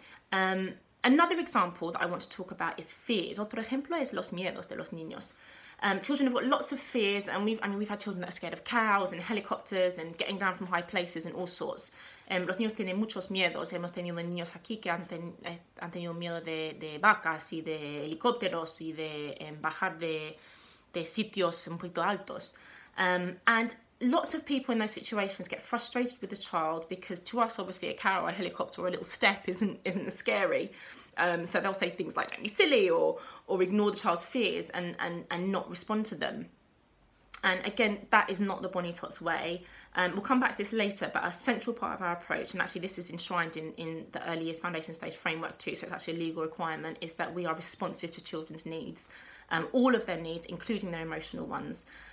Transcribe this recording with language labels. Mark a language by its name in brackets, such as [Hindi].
[English] Another example that I want to talk about is fears. [Spanish] Otro ejemplo es los miedos de los niños. [English] Children have got lots of fears, and we've had children that are scared of cows and helicopters and getting down from high places and all sorts. [Spanish] Los niños tienen muchos miedos. Hemos tenido niños aquí que han tenido miedo de vacas y de helicópteros y de bajar de sitios un poquito altos. [English] And lots of people in those situations get frustrated with the child because to us, obviously, a cow or a helicopter or a little step isn't scary. So they'll say things like, don't be silly, or ignore the child's fears and not respond to them. And again, that is not the Bonnie Tots way. We'll come back to this later, but a central part of our approach, and actually this is enshrined in the Early Years Foundation Stage framework too, so it's actually a legal requirement, is that we are responsive to children's needs, all of their needs, including their emotional ones.